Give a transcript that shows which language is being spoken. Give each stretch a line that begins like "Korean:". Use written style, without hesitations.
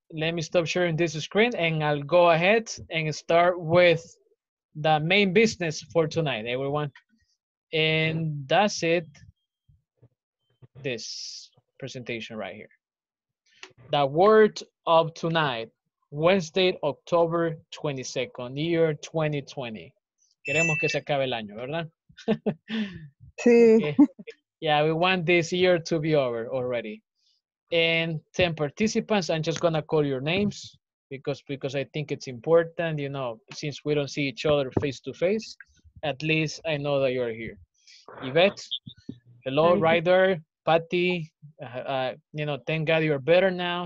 English: Let me stop sharing this screen and I'll go ahead and start with the main business for tonight, everyone. And that's it. This presentation right here. The word of tonight, Wednesday, October 22nd, year 2020.
Spanish: Queremos que se acabe el año, ¿verdad? Sí.
English: Yeah, we want this year to be over already. And 10 participants, I'm just going to call your names because I think it's important, you know, since we don't see each other face to face, at least I know that you're here. Yvette, hello, Ryder. Patty, you know, thank God you're better now.